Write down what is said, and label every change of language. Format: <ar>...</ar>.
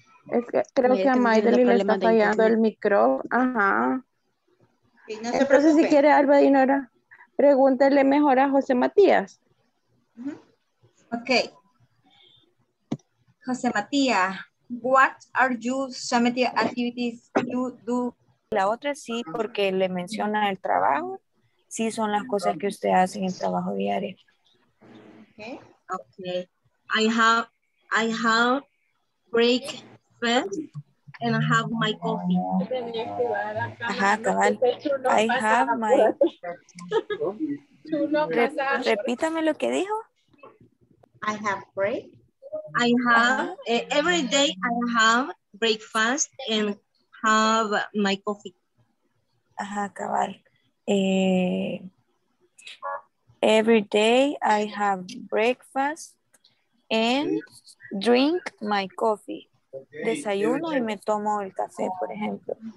<es>Es que creo que a Maydeli le está fallando el micrófono. Ajá. Sí, no se preocupe. Si quiere, Alba Dinora, pregúntele mejor a José Matías. Ok.</es> <en>José Matías, what are you some activities you do?</en> <es>La otra sí, porque le menciona el trabajo. sí son las cosas que usted hace en el trabajo diario. Okay.</es> <en>I have breakfast and I have my coffee.</en> <es>Ajá, cabal.</es> <en>I have my.</en> <es>Repítame lo que dijo.</es> <en>I have break. I have every day I have breakfast and have my coffee.</en> <es>Ajá, cabal.</es> <en>Every day I have breakfast and drink my coffee.</en> <es>Desayuno y me tomo el café, por ejemplo.</es>